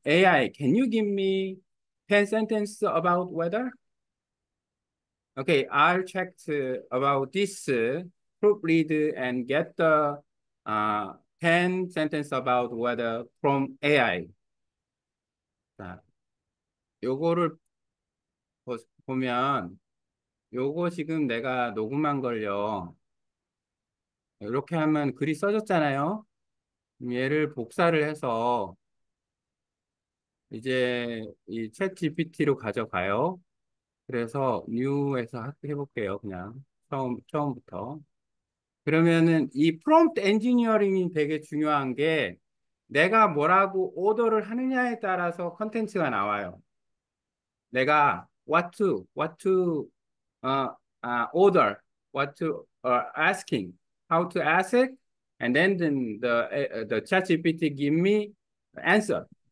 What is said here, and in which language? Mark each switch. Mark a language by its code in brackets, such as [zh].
[en] AI, can you give me 10 sentences about weather? Okay, I'll check about this proofread and get the 10 sentences about weather from AI. [ko] 자, 요거를 보면, 요거 지금 내가 녹음한 걸요. 이렇게 하면 글이 써졌잖아요. 얘를 복사를 해서 이제 이챗 GPT로 가져가요. 그래서 new에서 해볼게요. 그냥 처음부터. 그러면은 이 프롬프트 엔지니어링이 되게 중요한 게 내가 뭐라고 오더를 하느냐에 따라서 컨텐츠가 나와요. [en] 내가 asking, how to ask it, and then the chat GPT give me answer.